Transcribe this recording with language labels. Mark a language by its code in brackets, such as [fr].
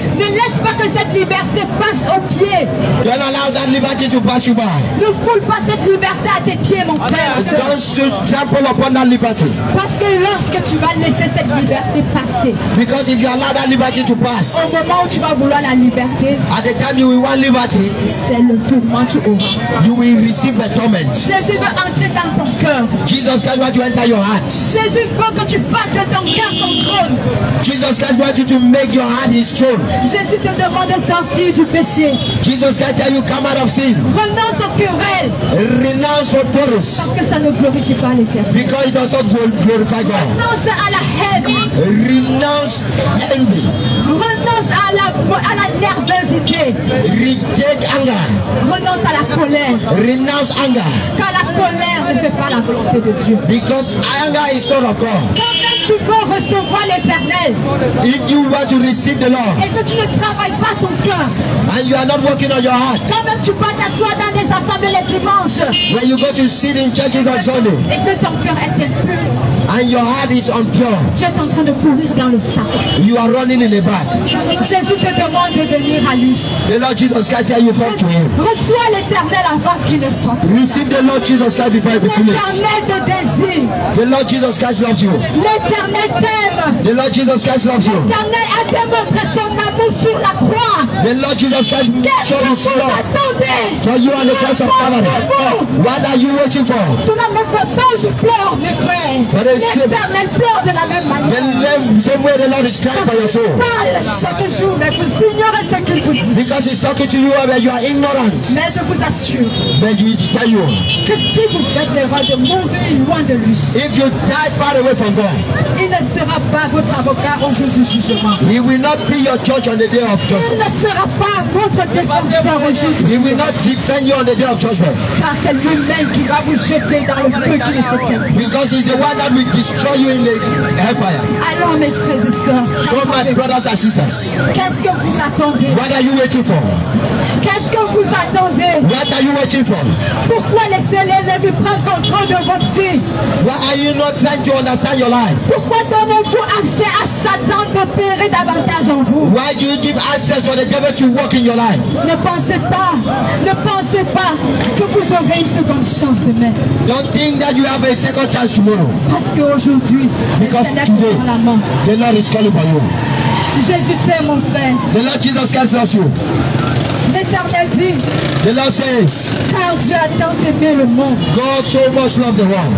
[fr] Ne laisse pas que cette liberté passe au pied. [en] Don't allow that liberty to pass you by. [fr] Ne foule pas cette liberté à tes pieds, mon frère. [en] Don't trample upon that liberty. [fr] Parce que lorsque tu vas laisser cette liberté passer. [en] Because if you allow that liberty to pass. [fr] Au moment où tu vas vouloir la liberté. [en] At the time you will want liberty. [fr] c'est le tourment que tu auras. [en] You will receive a torment. [fr] Jésus veut entrer dans ton cœur. [en] Jesus Christ wants to enter your heart. [fr] Jésus veut que tu passes de ton cœur son trône. [en] Jesus Christ wants you to make your heart his throne. [fr] Jésus te demande de sortir du péché. [en] Jesus Christ tell you come out of sin. [fr] Renonce au querel. [en] Renounce au chorus. [fr] Parce que ça ne glorifie pas l'Éternel. [en] Because it does not glorify God. [fr] Renonce à la haine. [en] Renounce envy. [fr] Renonce à la nervosité. [en] Reject anger. [fr] Renonce à la colère. [en] Renounce anger. [fr] Car la colère ne fait pas la volonté de Dieu. [en] Because anger is not of God. [fr] Tu veux recevoir l'Éternel. [en] If you want to receive the Lord. [fr] Et que tu ne travailles pas ton cœur. [en] And you are not working on your heart. [fr] Quand même tu vas t'asseoir dans les assemblées les dimanches. [en] When you go to sit in churches on Sunday. [fr] Et que ton cœur est impur. [en] And your heart is impure. [fr] Tu es en train de courir dans le sac. [en] You are running in the back. [fr] Jésus te demande de venir à lui. [en] The Lord Jesus Christ tell you come to him. [fr] Reçois l'Éternel avant qu'il ne soit. [en] Receive the Lord Jesus Christ before he [fr] becomes. L'Éternel te désire. [en] The Lord Jesus Christ loves you. [fr] L'Éternel t'aime. [en] The Lord Jesus Christ loves you. [fr] L'Éternel a démontré son amour sur la croix. [en] The Lord Jesus Christ showed his love for you on the cross of Calvary. What are you waiting for? [fr] De la même façon, je pleure, mes frères. L'Éternel pleure de la même manière. [en] Same way the Lord is crying for your soul. [fr] Parle chaque jour, mais vous ignorez ce qu'il vous dit. [en] Because he's talking to you, but you are ignorant. [fr] Mais je vous assure. [en] But he will tell you. [fr] Que si vous faites l'erreur de mourir loin de lui. [en] If you die far away from God. [fr] Il ne sera pas votre avocat au jour du jugement. [en] He will not be your judge on the day of judgment. [fr] Il ne sera pas votre défenseur au jour du jugement. [en] He will not defend you on the day of judgment. [fr] Car c'est lui-même qui va vous jeter dans le feu qui ne se tient. [en] Because he's the one that will destroy you in the hellfire. [fr] Alors mes frères et sœurs. [en] So my brothers and sisters. [fr] Qu'est-ce que vous attendez? [en] What are you waiting for? [fr] Qu'est-ce que vous attendez? [en] What are you waiting for? [fr] Pourquoi laisser l'ennemi prendre contrôle de votre vie? [en] Why are you not trying to understand your life? [fr] Pourquoi donnez-vous accès à Satan d'opérer davantage en vous? [en] Why do you give access for the devil to work in your life? [fr] Ne pensez pas que vous aurez une seconde chance demain. [en] Don't think that you have a second chance tomorrow. [fr] Parce qu'aujourd'hui, [en] today, the Lord is calling for you. [fr] Jésus t'aime, mon frère. [en] The Lord Jesus Christ loves you. [fr] L'Éternel dit. [en] The Lord says. [fr] Car Dieu a tant aimé le monde. [en] God so much loved the world.